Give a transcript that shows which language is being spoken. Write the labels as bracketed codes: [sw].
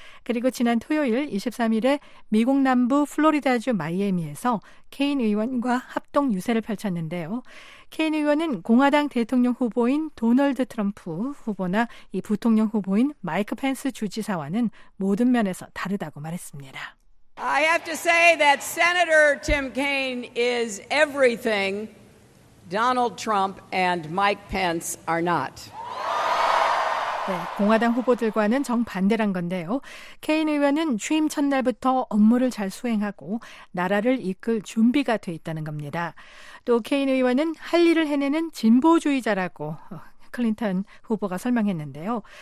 [ko] 그리고 지난 토요일 23일에 미국 남부 플로리다주 마이애미에서 케인 의원과 합동 유세를 펼쳤는데요. 케인 의원은 공화당 대통령 후보인 도널드 트럼프 후보나 이 부통령 후보인 마이크 펜스 주지사와는 모든 면에서 다르다고 말했습니다. [en] I have to say that Senator Tim Kaine is everything Donald Trump and Mike Pence are not. [ko] 네, 공화당 후보들과는 정반대란 건데요. 케인 의원은 취임 첫날부터 업무를 잘 수행하고 나라를 이끌 준비가 돼 있다는 겁니다. 또 케인 의원은 할 일을 해내는 진보주의자라고 클린턴 후보가 설명했는데요.